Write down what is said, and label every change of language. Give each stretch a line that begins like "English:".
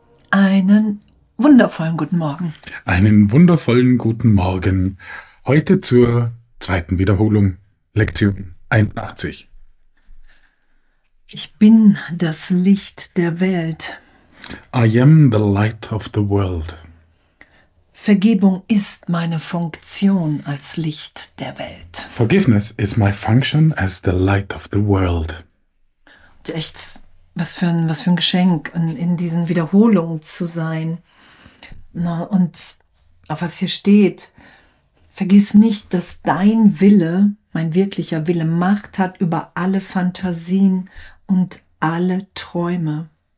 German: Einen wundervollen guten Morgen. Einen wundervollen guten Morgen. Heute zur zweiten Wiederholung, Lektion 81. Ich bin das Licht der Welt.
English: I am the light of the world.
German: Vergebung ist meine Funktion als Licht der Welt.
English: Forgiveness is my function as the light of the world.
German: Und echt, was für ein Geschenk, in diesen Wiederholungen zu sein. Na, und auf was hier steht, vergiss nicht, dass dein Wille, mein wirklicher Wille, Macht hat über alle Fantasien und alle Träume.